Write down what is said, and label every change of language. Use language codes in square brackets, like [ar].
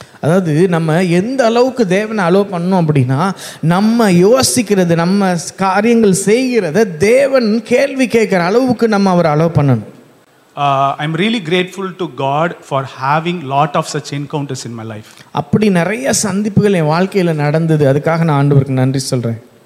[ta] அதாவது நம்ம எந்த அளவுக்கு தேவனை அலோ பண்ணோம் அப்படின்னா, நம்ம யோசிக்கிறது நம்ம காரியங்கள் செய்கிறத தேவன் கேள்வி கேட்குற அளவுக்கு நம்ம அவரை அலோ பண்ணணும். [en] I'm really grateful to God for having lot of such encounters in my life. [ta] அப்படி நிறைய சந்திப்புகள் என் வாழ்க்கையில நடந்தது, அதுக்காக நான் ஆண்டவருக்கு நன்றி சொல்றேன்.